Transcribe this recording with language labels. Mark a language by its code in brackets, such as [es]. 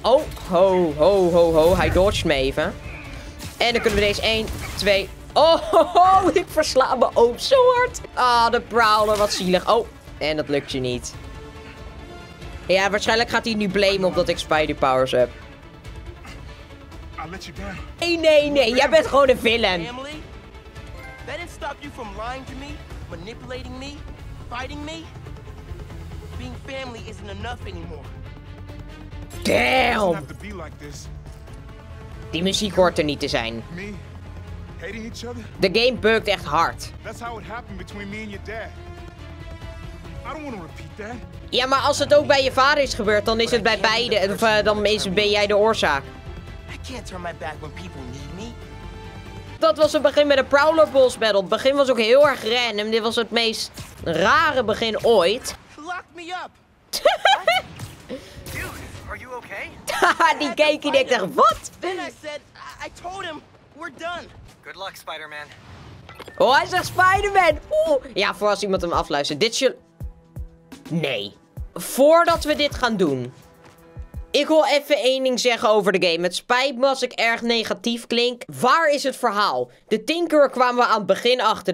[nl] Oh, ho, ho, ho, ho. Hij dodged me even. En dan kunnen we deze 1, 2... Oh, ho, ho. Ik versla mijn oom zo hard. Ah, de prowler. Wat zielig. Oh, en dat lukt je niet. Ja, waarschijnlijk gaat hij nu blamen omdat ik spider powers heb. Nee, nee, nee. Jij bent gewoon een villain. [en] That didn't stop you from lying to me, manipulating me, fighting me. Being family isn't enough anymore. Damn! [nl] Die muziek hoort er niet te zijn. [en] Me, hating each other? The game bugged [nl] echt [en] hard. That's how it happened between me and your dad. I don't want to repeat that. [nl] Ja, maar als het ook bij je vader is gebeurd, dan is het bij beide. Of dan ben jij de oorzaak. [en] I can't turn my back when people need me. [nl] Dat was het begin met de Prowler Boss Battle. Het begin was ook heel erg random. Dit was het meest rare begin ooit. [en] Lock me up. Dude, are you okay? [nl] Die keek en ik dacht, wat? [en] Then I said, I told him, we're done. Good luck, Spider-Man. [nl] Oh, hij zegt Spider-Man. Oeh. Ja, voor als iemand hem afluistert. Dit zullen... Nee. Voordat we dit gaan doen... Ik wil even één ding zeggen over de game. Het spijt me als ik erg negatief klink. Waar is het verhaal? De Tinkerer kwamen we aan het begin achter.